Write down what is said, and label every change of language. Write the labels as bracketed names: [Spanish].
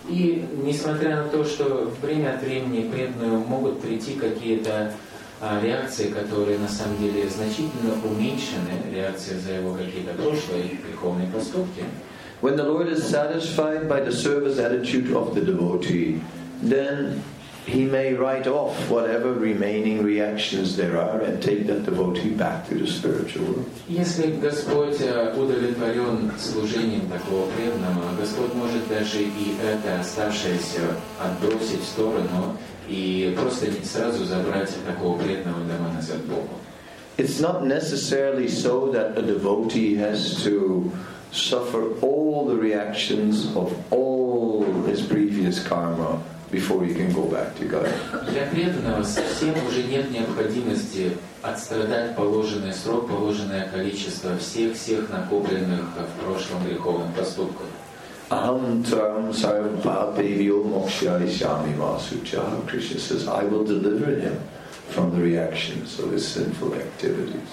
[Russian] И несмотря на то, что время от времени преданные могут прийти какие-то реакции, которые на самом деле значительно уменьшены, реакции за его какие-то прошлые греховные поступки. [English] When the Lord is satisfied by the service attitude of the devotee, then He may write off whatever remaining reactions there are and take that devotee back to the spiritual world. [Russian] Если Господь удовлетворен служением такого преданного, Господь может даже и это оставшееся отбросить в сторону и просто сразу забрать такого преданного дома назад Богу. [English] It's not necessarily so that a devotee has to suffer all the reactions of all his previous karma before you can go back to God. [Russian] Для преданного совсем уже нет необходимости отстрадать положенный срок, положенное количество всех накопленных в прошлом греховных поступков. [Sanskrit] Aham tam sarvapevyo mokshayishami vasucha. [English] Krishna says, I will deliver him from the reactions of his sinful activities.